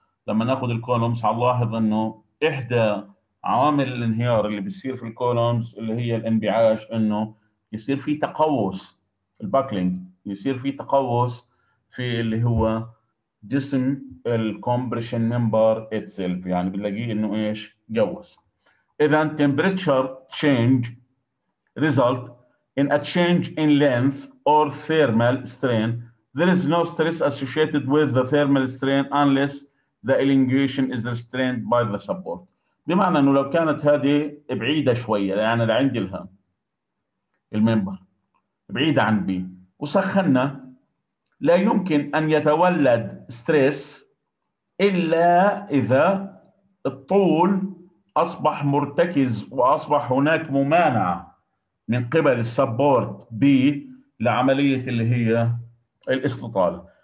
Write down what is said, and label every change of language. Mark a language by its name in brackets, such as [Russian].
[Arabic] لما ناخذ الكولومز هنلاحظ انه احدى عوامل الانهيار اللي بيصير في الكولومز اللي هي الانبعاج، انه يصير في تقوس الباكلينج، يصير في تقوس في اللي هو جسم الكومبريشن منبر اتسلف، يعني بنلاقيه انه ايش؟ قوس. اذا [English] Temperature change result in a change in length or thermal strain, there is no stress associated with the thermal strain unless the elongation is restrained by the support. [Arabic] بمعنى انه لو كانت هذه بعيده شويه، يعني لعندي لها الممبر بعيده عن بي وسخنا، لا يمكن ان يتولد ستريس الا اذا الطول اصبح مرتكز واصبح هناك ممانعه من قبل السبورت بي لعملية اللي هي الاستطالة.